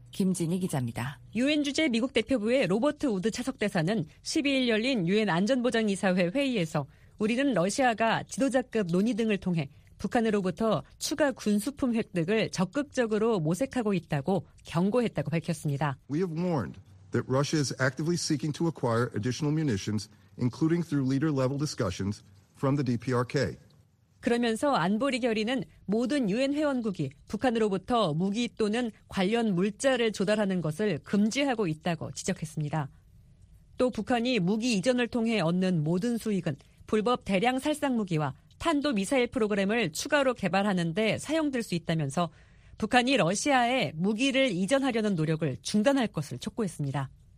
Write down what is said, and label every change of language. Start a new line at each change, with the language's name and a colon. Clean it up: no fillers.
Korean: 김진희 기자입니다. 유엔 주재 미국 대표부의 로버트 우드 차석대사는 12일 열린 유엔 안전보장이사회 회의에서 우리는 러시아가 지도자급 논의 등을 통해 북한으로부터 추가 군수품 획득을 적극적으로 모색하고 있다고 경고했다고 밝혔습니다.
English: We have warned that Russia is actively seeking to acquire additional munitions, including through leader-level discussions from the DPRK.
Korean: 그러면서 안보리 결의는 모든 유엔 회원국이 북한으로부터 무기 또는 관련 물자를 조달하는 것을 금지하고 있다고 지적했습니다. 또 북한이 무기 이전을 통해 얻는 모든 수익은 불법 대량 살상 무기와 탄도 미사일 프로그램을 추가로 개발하는 데 사용될 수 있다면서 북한이 러시아에 무기를 이전하려는 노력을 중단할 것을 촉구했습니다.